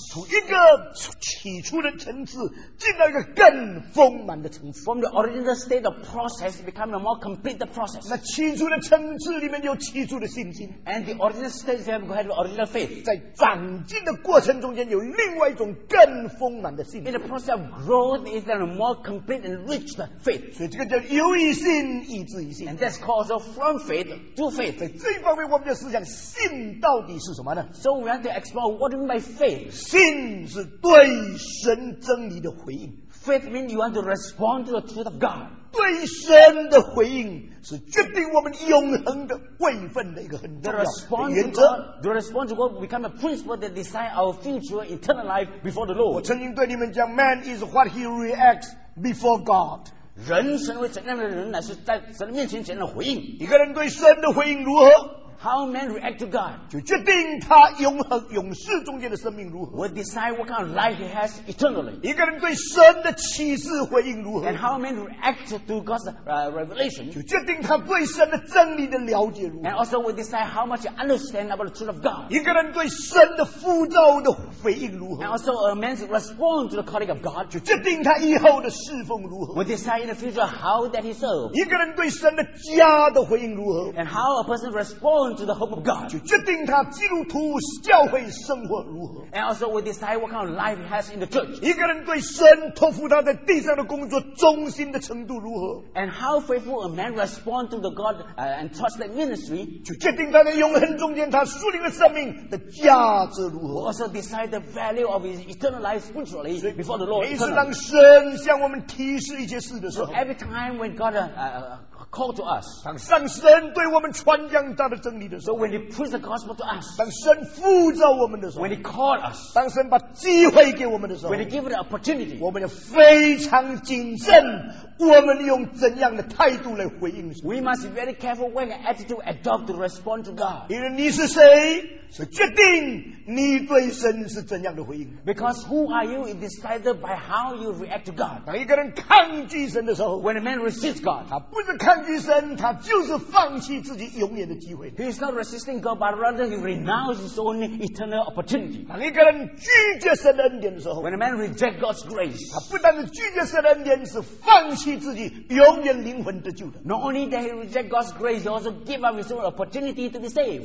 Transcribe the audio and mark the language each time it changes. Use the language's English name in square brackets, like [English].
[Chinese] 从一个起初的层次进到一个更丰满的层次 [English] From the original state of process become a more complete process [Chinese] 那起初的层次里面有起初的信心 [English] And the original state we have got the original faith [Chinese] 在长进的过程中间有另外一种更丰满的信心 [English] In the process of growth is there a more complete and rich faith [Chinese] 所以这个叫由于信义自于信 [English] And that's called from faith to faith [Chinese] 在这一方面我们就思想信到底是什么呢 [English] So we have to explore what do you mean by faith [Chinese] 信是对神真理的回应 [English] Faith means you want to respond to the truth of God [Chinese] 对神的回应 是决定我们永恒的位分的一个很重要的原则 [English] the response, God, the response to God become a principle that decides our future eternal life before the Lord [Chinese] 我曾经对你们讲 [English] Man is what he reacts before God [Chinese] 人身为怎样的人乃是在神面前前的回应一个人对神的回应如何 [English] How men react to God [Chinese] 就决定他永恒永世中间的生命如何 [English] Will decide what kind of life he has eternally [Chinese] 一个人对神的启示回应如何 [English] And how men react to God's revelation [Chinese] 就决定他对神的真理的了解如何 [English] And also will decide how much you understand about the truth of God [Chinese] 一个人对神的呼召的回应如何 [English] And also a man's response to the calling of God [Chinese] 就决定他以后的侍奉如何 [English] Will decide in the future how that he serves [Chinese] 一个人对神的家的回应如何 [English] And how a person responds into the hope of God. [Chinese] 就决定他基督徒教会生活如何。 [English] And also we decide what kind of life he has in the church. [Chinese] 一个人对神托付他在地上的工作忠心的程度如何。 [English] And how faithful a man responds to the God and trust that ministry. [Chinese] 就决定他在永恒中间他树立的生命的价值如何。 [English] We also decide the value of his eternal life spiritually before the Lord. [Chinese] 每次当神向我们提示一些事的时候。 [English] So every time when God call to us. [Chinese] 当神对我们传讲他的真理的时候, [English] so when he preached the gospel to us. [Chinese] 当神呼召我们的时候, [English] when he called us. [Chinese] 当神把机会给我们的时候, [English] when he gave the opportunity. [Chinese] 我们要非常谨慎, 我们用怎样的态度来回应神。 [English] We must be very careful when the attitude adopt to respond to God. [Chinese] 因为你是谁, 是决定你对神是怎样的回应。 [English] Because who are you is decided by how you react to God. [Chinese] 当一个人抗拒神的时候, [English] when a man resists God. [Chinese] 他不是抗拒神, 他就是放弃自己永远的机会。 [English] He is not resisting God, but rather he renounces his own eternal opportunity. [Chinese] 当一个人拒绝神的恩典的时候, [English] when a man rejects God's grace. [Chinese] 他不但是拒绝神的恩典, 是放弃自己永远灵魂得救的。 [English] Not only that he rejects God's grace, he also gives up his own opportunity to be saved.